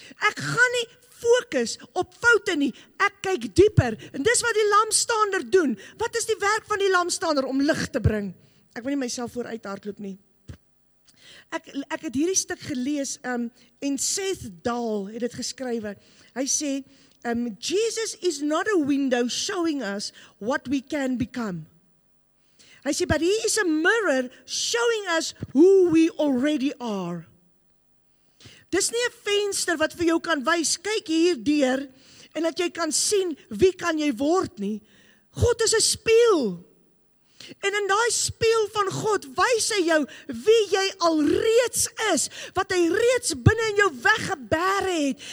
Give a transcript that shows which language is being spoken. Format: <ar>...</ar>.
<af>Ek gaan nie fokus op foute nie, ek kyk dieper. En dis wat die lampstaander doen. Wat is die werk van die lampstaander? Om lig te bring. Ek wil nie myself vooruit hardloop nie. Ek het hierdie stuk gelees en Seth Dahl het dit geskrywe. Hy sê,</af> <en>Jesus is not a window showing us what we can become.</en> <af>Hy sê,</af> <en>but he is a mirror showing us who we already are.</en> <af>Dis nie 'n venster wat vir jou kan wys, kyk hier deur, en dat jy kan sien wie kan jy word nie. God is 'n spieël. En in daai spieël van God wys hy jou wie jy alreeds is, wat hy reeds binne in jou weggebeer het.</af>